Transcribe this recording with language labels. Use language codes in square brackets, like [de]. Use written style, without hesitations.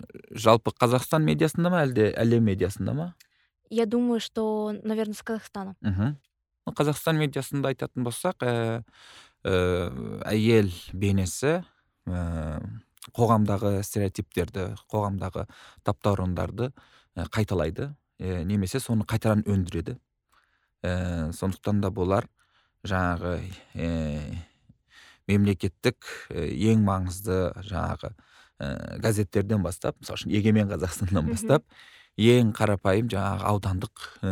[kk] Жалпы Казахстан медиасында ма, әлде әлем медиасында ма? [ru] Я думаю, что, наверное, с Казахстана. [kk] Ну, Казахстан медиасында айтатын болсақ, әйел бейнесі қоғамдағы стереотиптерді, қоғамдағы таптауырындарды қайталайды, немесе соны қайтадан өндіреді. Сондықтан да болар жаңағы мемлекеттік ең маңызды жаңағы газеттерден бастап, мысалы, Егемен Қазақстаннан бастап, ең қарапайым жаңағы аудандық